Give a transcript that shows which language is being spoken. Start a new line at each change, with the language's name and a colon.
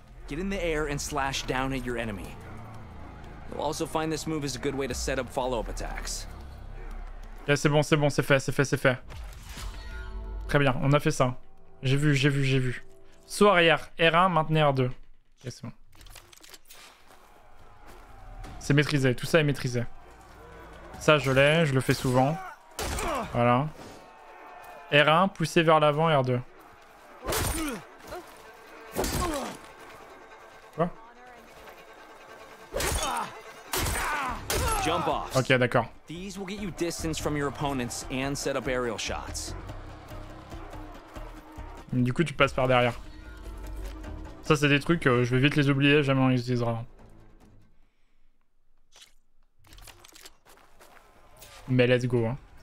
English: Get in the air and slash down at your enemy. You'll also find this move is a good way to set up follow-up attacks.
French: Okay, c'est bon, c'est bon, c'est fait, c'est fait, c'est fait. Très bien, on a fait ça. J'ai vu, j'ai vu, j'ai vu. Saut arrière, R1, maintenir R2. Ok, c'est bon. C'est maîtrisé, tout ça est maîtrisé. Ça, je l'ai, je le fais souvent. Voilà. R1, pousser vers l'avant, R2. Quoi?
English: Jump off.
French: Ok, d'accord.
English: These will get you distance from your opponents and set up aerial shots.
French: Du coup, tu passes par derrière. Ça, c'est des trucs, je vais vite les oublier, jamais on les utilisera. Mais
English: let's go.
French: Hein.